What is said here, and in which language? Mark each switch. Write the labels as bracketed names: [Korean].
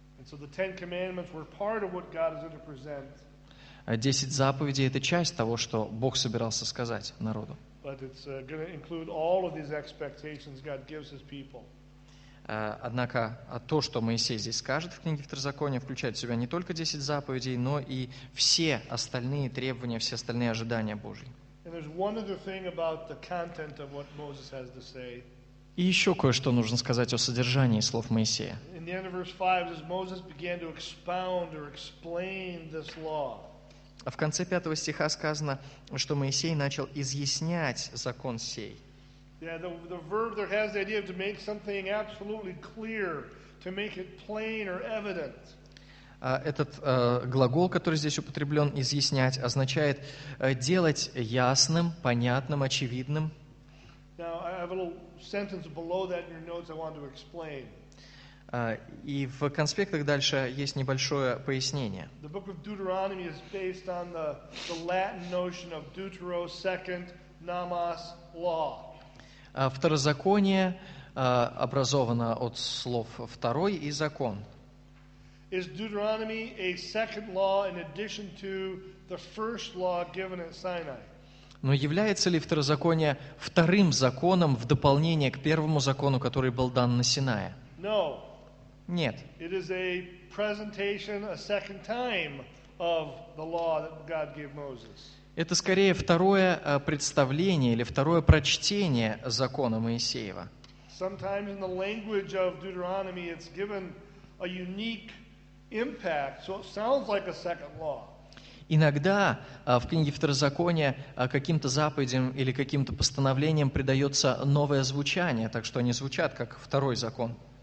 [English] So the Ten Commandments were part of what God is going to present. [Russian] 10 заповедей — это часть того, что Бог собирался сказать народу. [English] But it's going to include all of these expectations God gives His people. [Russian] Однако то, что Моисей здесь скажет в книге Второзакония, включает в себя не только 10 заповедей, но и все остальные требования, все остальные ожидания Божьи. [English] And there's one other thing about the content of what Moses has to say. [Russian] И еще кое-что нужно сказать о содержании слов Моисея. В конце 5 стиха сказано, что Моисей начал изъяснять закон сей. Этот глагол, который здесь употреблен, изъяснять, означает делать ясным, понятным, очевидным. [English] Now, I have a little sentence below that in your notes I want to explain. [Russian] И в конспектах дальше есть небольшое пояснение. [English] The book of Deuteronomy is based on the Latin notion of Deutero, second, namas, law. [Russian] Второзаконие образовано от слов второй и закон. [English] Is Deuteronomy a second law in addition to the first law given at Sinai? [Russian] Но является ли Второзаконие вторым законом в дополнение к первому закону, который был дан на Синае? [English] No. [Russian] Нет. [English] It is a presentation, a second time of the law that God gave Moses. [Russian] Это скорее второе представление или второе прочтение закона Моисеева. [English] Sometimes in the language of Deuteronomy it's given a unique impact, so it sounds like a second law. [Russian] Иногда в книге Второзакония каким-то заповедям или каким-то постановлениям придается новое звучание, так что они звучат как второй закон.